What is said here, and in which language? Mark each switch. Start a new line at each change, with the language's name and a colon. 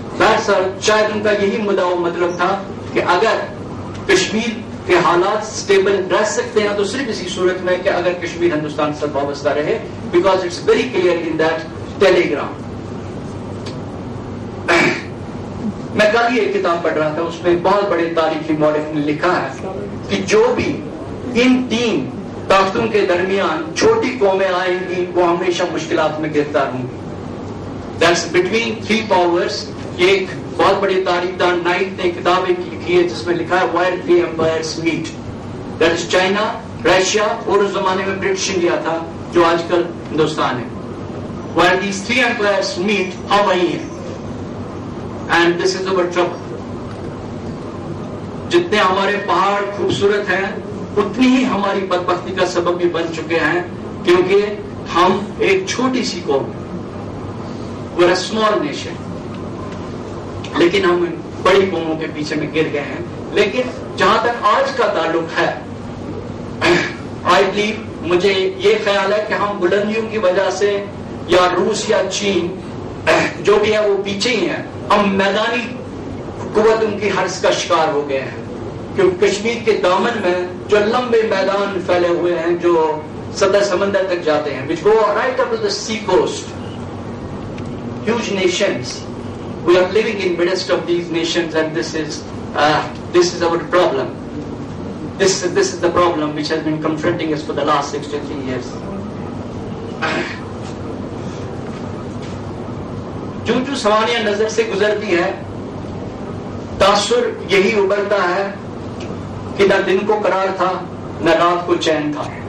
Urdu: بہر سر شاید ان کا یہی مدعا و مطلب تھا کہ اگر کشمیر کہ حالات سٹیبل رہ سکتے ہیں تو صرف اسی صورت میں کہ اگر کشمیر ہندوستان سے وابستہ رہے،
English: Because it's very clear in that telegram.
Urdu: میں کل یہ کتاب پڑھ رہا تھا, اس میں بہت بڑے تاریخی مورخ نے لکھا ہے کہ جو بھی ان تین طاقتوں کے درمیان چھوٹی قومیں آئیں گی وہ ہمیشہ مشکلات میں گرفتار ہوں گی.
English: That's between three powers.
Urdu: ایک بہت بڑے تاریخ دان نائٹ نے کتابیں لکھی ہے جس میں لکھا ہے
English: Where three empires meet. That is China, Russia,
Urdu: اور اس زمانے میں برٹش انڈیا تھا جو آج کل ہندوستان ہے.
English: Where these three empires meet,
Urdu: ہم وہیں ہیں.
English: And this is our trouble.
Urdu: جتنے ہمارے پہاڑ خوبصورت ہیں اتنی ہی ہماری بدبختی کا سبب بھی بن چکے ہیں, کیونکہ ہم ایک چھوٹی سی قوم ہیں.
English: We're a small nation.
Urdu: لیکن ہم بڑی قوموں کے پیچھے میں گر گئے ہیں. لیکن جہاں تک آج کا تعلق ہے,
English: I believe,
Urdu: مجھے یہ خیال ہے کہ ہم بلندیوں کی وجہ سے یا روس یا چین جو بھی ہے وہ پیچھے ہی ہیں. ہم میدانی قوتوں کی حرص کا شکار ہو گئے ہیں, کیونکہ کشمیر کے دامن میں جو لمبے میدان پھیلے ہوئے ہیں جو سطح سمندر تک جاتے ہیں,
English: which go right up to the sea coast, huge nations. We are living in midst of these nations, and this is our problem. This is the problem which has been confronting us for the last 63 years.
Urdu: جو جو سوانیاں نظر سے گزرتی ہے تاثر یہی ابھرتا ہے کہ نہ دن کو قرار تھا نہ رات کو چین تھا.